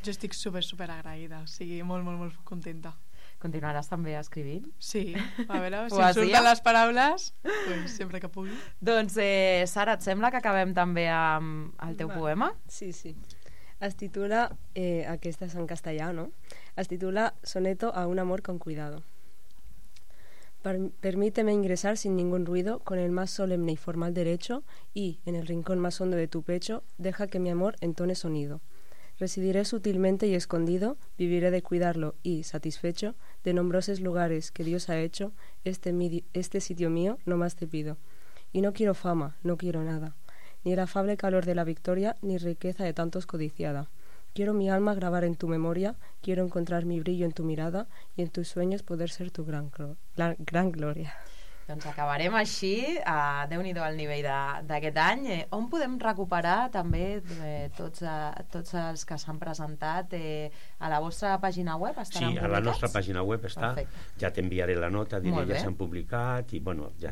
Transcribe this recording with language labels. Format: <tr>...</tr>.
<ca>Jo estic super, super agraïda, o sigui, molt, molt, molt contenta. Continuaràs també escrivint? Sí, a veure, si em surten les paraules, doncs, sempre que pugui. Doncs, Sara, et sembla que acabem també amb el teu poema? Sí, sí. Es titula, aquesta és en castellà, no? Es titula</ca> <es>Soneto a un amor con cuidado. Permíteme ingresar sin ningún ruido, con el más solemne y formal derecho, y, en el rincón más hondo de tu pecho, deja que mi amor entone sonido. Residiré sutilmente y escondido, viviré de cuidarlo y, satisfecho, de nombrosos lugares que Dios ha hecho, este sitio mío no más te pido. Y no quiero fama, no quiero nada, ni el afable calor de la victoria, ni riqueza de tantos codiciada. Quiero mi alma grabar en tu memoria, quiero encontrar mi brillo en tu mirada y en tus sueños poder ser tu gran gloria.</es> <ca>Doncs acabarem així, déu-n'hi-do al nivell d'aquest any. On podem recuperar també tots els que s'han presentat? A la vostra pàgina web estaran publicats? Sí, a la nostra pàgina web està. Perfecte. Ja t'enviaré la nota, diré ja s'han publicat i bueno, ja</ca>